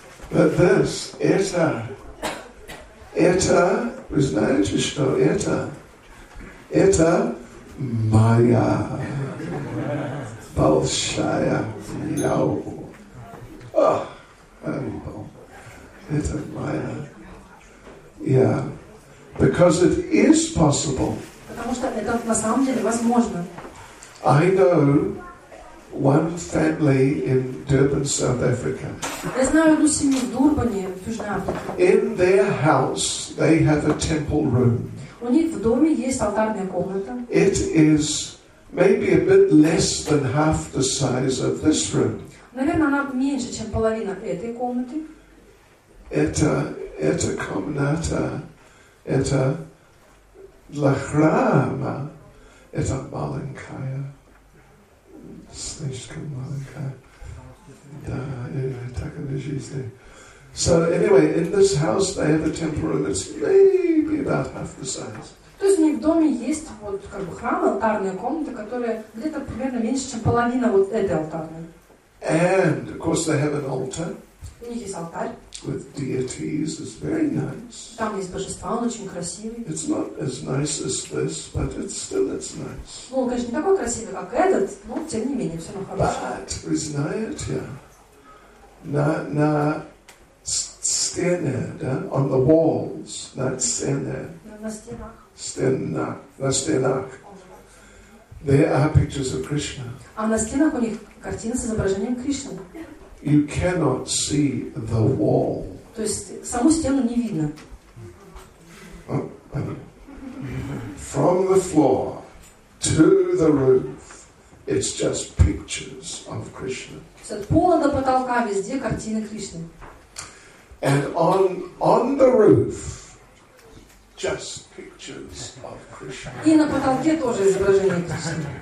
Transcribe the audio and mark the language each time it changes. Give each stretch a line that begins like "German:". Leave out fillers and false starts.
English: But this,
Russian: это, вы знаете что, это моя большая мяу. Ох, это моя.
English: Yeah. Because it is possible.
Russian: Потому что это на самом деле возможно.
English: I know one family in Durban, South Africa.
Russian: Я знаю одну семью в Дурбане, в Южной Африке.
English: In their house, they have a temple room.
Russian: У них в доме есть алтарная комната.
English: It is maybe a bit less than half the size of this room.
Russian: Наверное, она меньше, чем половина этой комнаты. Это комната. Это для храма, это маленькая, слишком маленькая, да, так она жизнь.
English: So anyway, in this house they have a temple room that's maybe about half the size.
Russian: То есть у них в доме есть вот как бы храм, алтарная комната, которая где-то примерно меньше, чем половина вот этой алтарной.
English: And, of course, they have an altar.
Russian: У них есть алтарь.
English: With deities is very nice.
Russian: Там есть божества, он очень красивый.
English: It's not as nice as this, but it's nice.
Russian: Ну, конечно, не такой красивый, как этот, но тем не менее, все равно хорошо.
English: But,
Russian: вы знаете, на стене, да,
English: on the walls,
Russian: на стенах. на стенах.
English: There are pictures of Krishna.
Russian: А на стенах у них картины с изображением Кришны.
English: You cannot see the wall.
Russian: То есть саму стену не видно.
English: From the floor to the roof, it's just pictures of Krishna.
Russian: От пола до потолка везде картины Кришны.
English: And on the roof, just pictures of Krishna.
Russian: И на потолке тоже изображение Кришны.